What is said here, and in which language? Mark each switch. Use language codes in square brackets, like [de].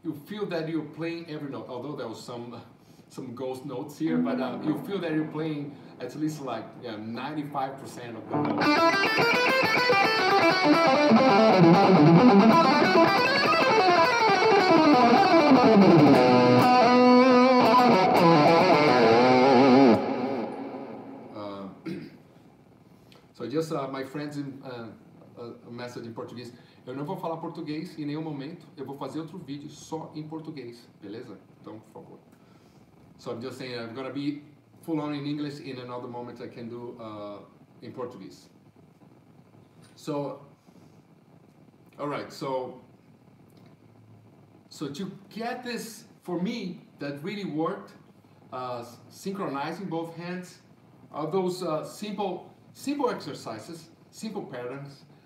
[en] You're playing every note, although there was some ghost notes here, but you feel that you're playing at least like 95% of the notes. So just my friends in a message in Portuguese. [pt] Eu não vou falar português em nenhum momento. Eu vou fazer outro vídeo só em português, beleza? Então, por favor. [en] So I'm just saying I'm gonna be full on in English in another moment. I can do in Portuguese. So, all right. So to get this for me, that really worked, synchronizing both hands, are those simple exercises, simple patterns.